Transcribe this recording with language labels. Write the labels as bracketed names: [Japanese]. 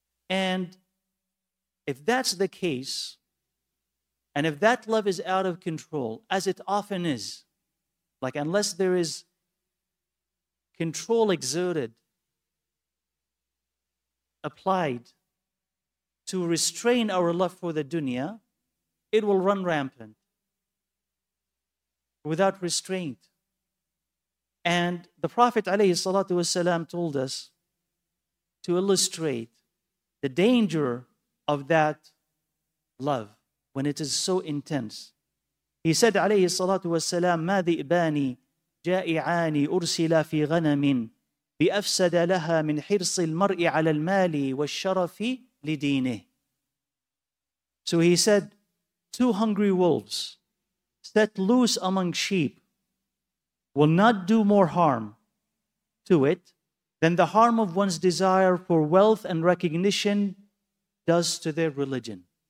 [English] And if that's the case, and if that love is out of control, as it often is, like unless there is control exerted, applied to restrain our love for the dunya, it will run rampant without restraint. And the Prophet alayhi salatu wasalam told us to illustrate the danger of that love. when it is so intense. He said, [Arabic] عليه الصلاة والسلام, ما ذئبان جائعان أرسلا في غنم بأفسد لها من حرص المرء على المال والشرف لدينه. [English] So he said, two hungry wolves set loose among sheep will not do more harm to it than the harm of one's desire for wealth and recognition does to their religion.